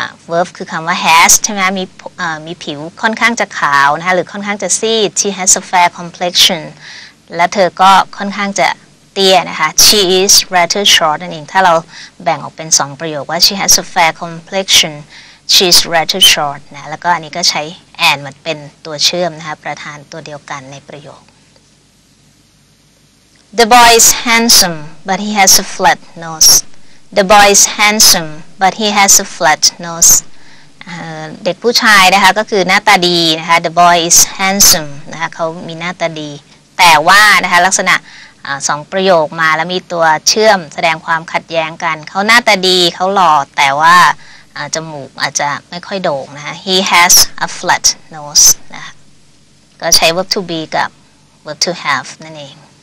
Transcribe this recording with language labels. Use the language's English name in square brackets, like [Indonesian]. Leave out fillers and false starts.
[Thai] verb คือคำว่า has ใช่ไหมมีผิวค่อนข้างจะขาวนะคะหรือค่อนข้างจะซีด [English] she has a fair complexion [Thai] และเธอก็ค่อนข้างจะเตี้ยนะคะ [English] she is rather short [Thai] นั่นเองถ้าเราแบ่งออกเป็น2ประโยคว่า [English] she has a fair complexion she is rather short [Thai] นะแล้วก็อันนี้ก็ใช้ and มันเป็นตัวเชื่อมนะคะประธานตัวเดียวกันในประโยค [English] The boy is handsome, but he has a flat nose. The boy is handsome, but he has a flat nose. [Thai] เด็กผู้ชายนะคะก็คือหน้าตาดีนะคะ [English] The boy is handsome [Thai] นะคะเขามีหน้าตาดีแต่ว่านะคะลักษณะสองประโยคมาแล้วมีตัวเชื่อมแสดงความขัดแย้งกันเขาหน้าตาดีเขาหล่อแต่ว่าจมูกอาจจะไม่ค่อยโด่งนะคะ [English] He has a flat nose [Thai] นะคะก็ใช้ verb to be กับ verb to have นั่นเอง